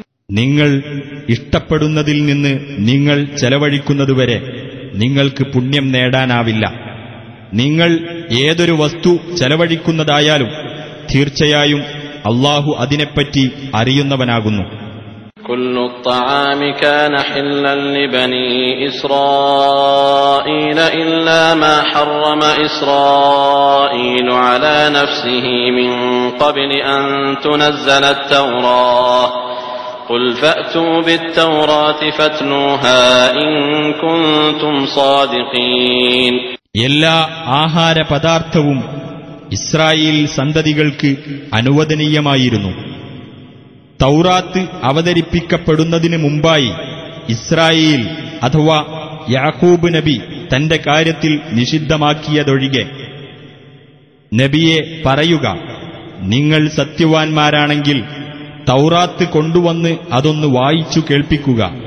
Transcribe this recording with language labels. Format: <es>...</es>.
<ml>നിങ്ങൾ ഇഷ്ടപ്പെടുന്നതിൽ നിന്ന് നിങ്ങൾ ചെലവഴിക്കുന്നതുവരെ നിങ്ങൾക്ക് പുണ്യം നേടാനാവില്ല. നിങ്ങൾ ഏതൊരു വസ്തു ചെലവഴിക്കുന്നതായാലും തീർച്ചയായും അല്ലാഹു അതിനെപ്പറ്റി അറിയുന്നവനാകുന്നു.</ml> <ar>كل الطعام كان حلا لبني إسرائيل إلا ما حرم إسرائيل على نفسه من قبل أن تنزل التوراة قل فأتوا بالتوراة فاتلوها إن كنتم صادقين.</ar> <ml>يلا آهار പദാർത്ഥവും ഇസ്രായേൽ സന്തതികൾക്ക് അനുവദനീയമായിരുന്നു. തൗറാത്ത് അവതരിപ്പിക്കപ്പെടുന്നതിന് മുമ്പായി ഇസ്രായേൽ അഥവാ യാക്കൂബ് നബി തന്റെ കാര്യത്തിൽ നിഷിദ്ധമാക്കിയതൊഴികെ, നബിയെ പറയുക, നിങ്ങൾ സത്യവാൻമാരാണെങ്കിൽ തൗറാത്ത് കൊണ്ടുവന്ന് അതൊന്ന് വായിച്ചു കേൾപ്പിക്കുക.</ml>